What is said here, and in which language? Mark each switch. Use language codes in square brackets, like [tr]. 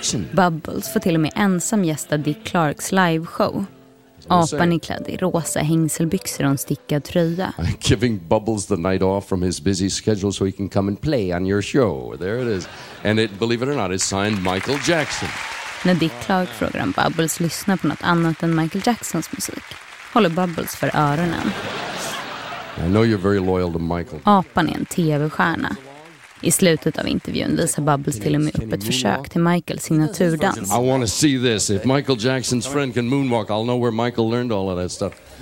[sv] Bubbles får till och med ensam gästa Dick Clarks liveshow. Apan är klädd i rosa hängselbyxor och en stickad tröja. [en] I'm giving Bubbles the night off from his busy schedule so he can come and play on your show. There it is. And it, believe it or not, is signed Michael Jackson. [sv] När Dick Clark frågar om Bubbles lyssnar på något annat än Michael Jacksons musik håller Bubbles för öronen. [en] I know you're very loyal to Michael. [sv] Apan är en tv-stjärna. I slutet av intervjun visar Bubbles till och med upp ett försök till Michaels signaturdans. [en] I want to see this. If Michael Jackson's friend can moonwalk, I'll know where Michael learned all of that stuff.